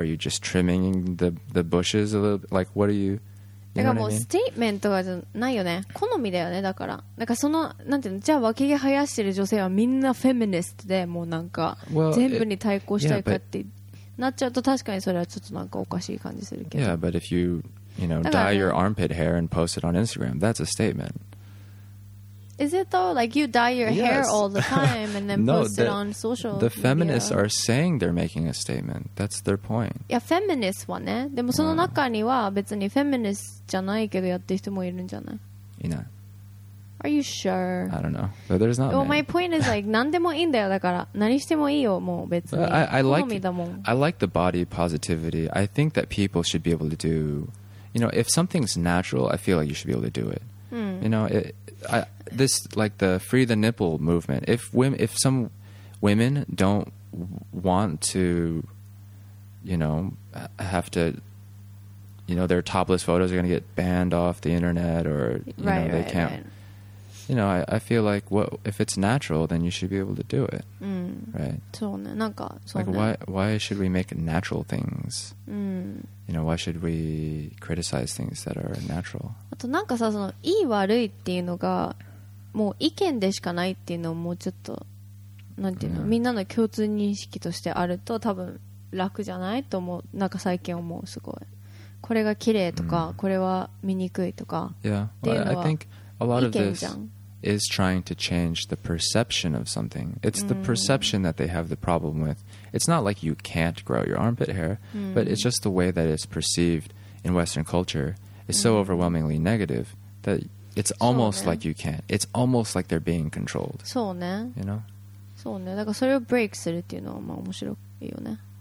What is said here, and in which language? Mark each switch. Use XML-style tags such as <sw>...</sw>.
<en>Are you just trimming the bushes a little bit? Like, what are you…</en> <ja>だからもう statement とかじゃないよね。好みだよね、だから。なんかその、なんていうの、じゃあ脇毛生やしてる女性はみんなフェミニストで、もうなんか全部に対抗したいかって言って。なっちゃうと確かにそれはちょっとなんかおかしい感じするけど。</ja> <en>Yeah, but if you, you know, dye your armpit hair and post it on Instagram, that's a statement. Is it though? Like you dye your hair all the time and then post it on social media. The feminists are saying they're making a statement. That's their point.</en> <ja>いや、フェミニストはね。でもその中には別にフェミニストじゃないけどやってる人もいるんじゃない？いない。</ja> <en>Are you sure? I don't know. But there's not. Well, my point is like</en> <ja>何でもいいんだよ。だから何してもいいよ。もう別に。</ja> <en>I like</en> <ja>好みだもん。</ja> <en>I like the body positivity. I think that people should be able to do. You know, if something's natural, I feel like you should be able to do it. You know, this like the free the nipple movement. If some women don't want to, you know, have to, you know, their topless photos are going to get banned off the internet or, you know, they can't. You know, I feel like what if it's natural, then you should be able to do it, right?</en> <ja>そうね、なんかそうね。</ja> <en>Like why should we make natural things? You know, why should we criticize things that are natural?</en> <ja>あとなんかさ、そのいい悪いっていうのがもう意見でしかないっていうのをもうちょっとなんていうの、みんなの共通認識としてあると多分楽じゃないと思う。なんか最近思う、すごいこれが綺麗とか、これは見にくいとか、</ja> <en>yeah.</en> <ja>っていうのは。</ja> <en>Well, I thinkA lot of this is trying to change the perception of something. It's the perception that they have the problem with. It's not like you can't grow your armpit hair, but it's just the way that it's perceived in Western culture is so overwhelmingly negative that it's almost like you can't. It's almost like they're being controlled.</en> <ja>そうね。</ja> <en>You know?</en> <ja>そうね。だからそれを break するっていうのはまあ面白いよね。</ja>